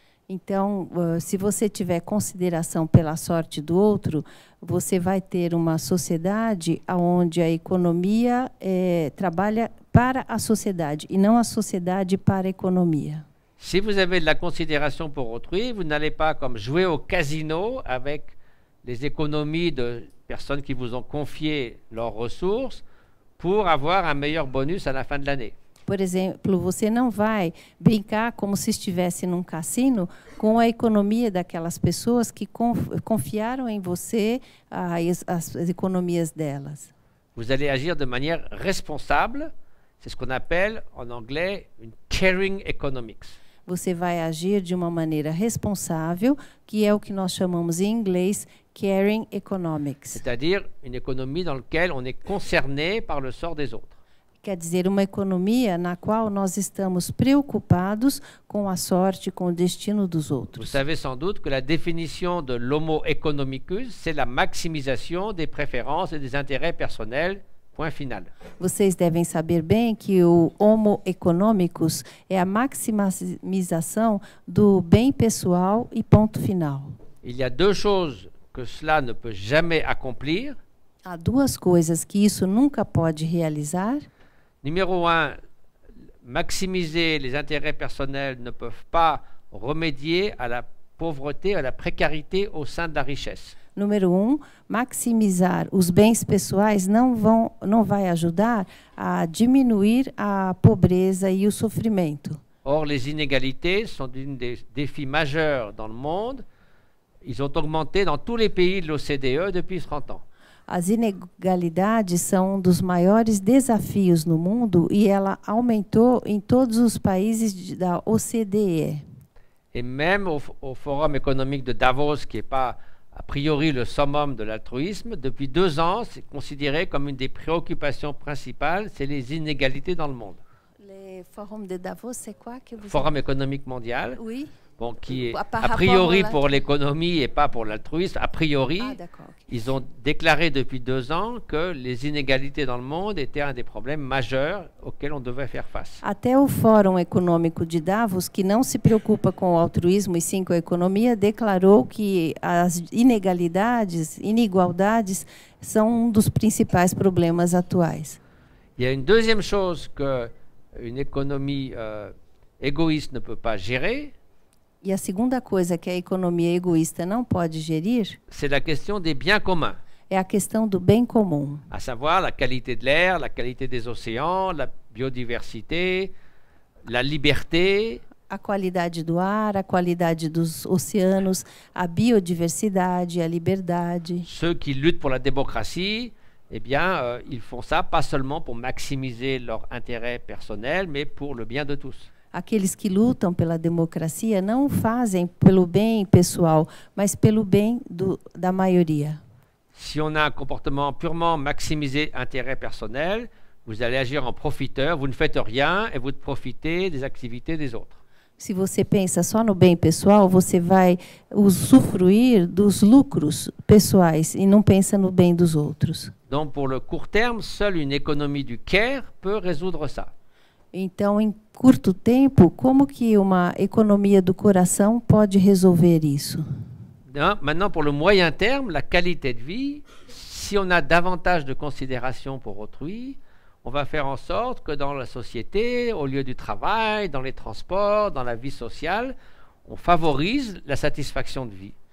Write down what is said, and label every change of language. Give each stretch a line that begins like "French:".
Portuguese: Então, se você tiver consideração pela sorte do outro, você vai ter uma sociedade onde a economia trabalha para a sociedade e não a sociedade para a economia.
French: Si vous avez de la considération pour autrui, vous n'allez pas comme jouer au casino avec les économies de personnes qui vous ont confié leurs ressources pour avoir un meilleur bonus à la fin de l'année.
Portuguese: Por exemplo, você não vai brincar como se estivesse num cassino com a economia daquelas pessoas que confiaram em você as economias delas.
French: Vous allez agir de manière responsable, c'est ce qu'on appelle en anglais une caring economics.
Portuguese: Você vai agir de uma maneira responsável, que é o que nós chamamos em inglês caring economics.
French: C'est-à-dire une économie dans laquelle on est concerné par le sort des autres.
Portuguese: Quer dizer, uma economia na qual nós estamos preocupados com a sorte, com o destino dos outros.
French: Vous savez sans doute que la définition de l'homo economicus, c'est la maximisation des préférences et des intérêts personnels
Portuguese: Ponto final. Vocês devem saber bem que o Homo Economicus é a maximização do bem pessoal e ponto final.
French: Il y a deux choses que cela ne peut jamais accomplir.
Portuguese: Há duas coisas que isso nunca pode realizar. Número 1, maximizar os interesses
French: personnels
Portuguese: não
French: peuvent pas remédier à la pauvreté, à la précarité au sein de la richesse.
Portuguese: Número 1, maximizar os bens pessoais não vai ajudar a diminuir a pobreza e o sofrimento.
French: Or, les inégalités sont un des défis majeurs dans le monde. Ils ont augmenté dans tous les pays de l'OCDE depuis 30 ans.
Portuguese: As inegalidades são um dos maiores desafios no mundo e ela aumentou em todos os países da OCDE.
French: Et même au Forum économique de Davos, qui est pas a priori le summum de l'altruisme, depuis 2 ans, c'est considéré comme une des préoccupations principales, c'est les inégalités dans le monde. Le Forum de Davos, c'est quoi que vous Forum économique mondial. Oui. Bon, qui est a priori pour l'économie et pas pour l'altruisme, a priori, ils ont déclaré depuis 2 ans que les inégalités dans le monde étaient un des problèmes majeurs auxquels on devait faire face.
Portuguese: Até o Fórum Econômico de Davos, que não se preocupa com o altruísmo e sim com a economia, declarou que as inigualdades são um dos principais problemas atuais.
French: Il y a une deuxième chose que une économie égoïste ne peut pas gérer.
Portuguese: E a segunda coisa que a economia egoísta não pode gerir
French: c'est la question des biens communs.
Portuguese: É a questão do bem comum.
French: À savoir la qualité de l'air, la qualité des océans, la biodiversité, la liberté.
Portuguese: A qualidade do ar, a qualidade dos oceanos, a biodiversidade, a liberdade.
French: Ceux qui luttent pour la démocratie, eh bien, ils font ça pas seulement pour maximiser leur intérêt personnel, mais pour le bien de tous.
Portuguese: Aqueles que lutam pela democracia não o fazem pelo bem pessoal, mas pelo bem da maioria.
French: Si on a un comportement purement maximisé intérêt personnel, vous allez agir en profiteur, vous ne faites rien et vous profitez des activités des autres.
Portuguese: Se você pensa só no bem pessoal, você vai usufruir dos lucros pessoais e não pensa no bem dos outros.
French: Donc pour le court terme, seule une économie du care peut résoudre ça.
Portuguese: Então, em curto tempo, como que uma economia do coração pode resolver isso? Não,
French: maintenant, pour le moyen terme, la qualité de vie, si on a davantage de considération pour autrui, on va faire en sorte que dans la société, au lieu du travail, dans les transports, dans la vie sociale, on favorise la satisfaction de vie.